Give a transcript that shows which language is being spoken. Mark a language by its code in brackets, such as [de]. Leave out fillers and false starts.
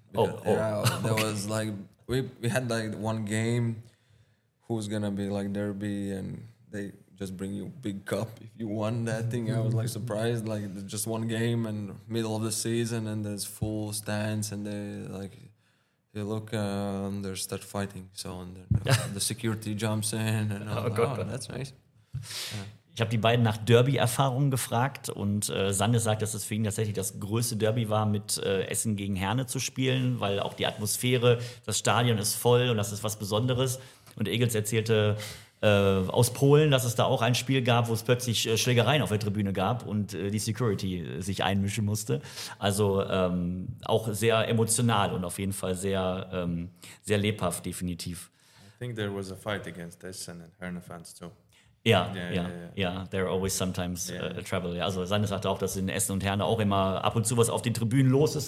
[en] Was like. We had like one game, who's gonna be like derby, and they just bring you big cup if you won that thing. I was like surprised, like just one game and middle of the season, and there's full stands, and they like, they look, they start fighting. So and then the security jumps in, and that's nice. [de] Ich habe die beiden nach Derby-Erfahrungen gefragt und Sanne sagt, dass es für ihn tatsächlich das größte Derby war, mit Essen gegen Herne zu spielen, weil auch die Atmosphäre, das Stadion ist voll und das ist was Besonderes. Und Egels erzählte aus Polen, dass es da auch ein Spiel gab, wo es plötzlich Schlägereien auf der Tribüne gab und die Security sich einmischen musste. Also auch sehr emotional und auf jeden Fall sehr, sehr lebhaft, definitiv. [en] I think there was a fight against Essen and Herne fans too. Yeah. There are always sometimes trouble. Yeah. [de] Also Sanne sagte auch, dass in Essen und Herne auch immer ab und zu was auf den Tribünen los ist.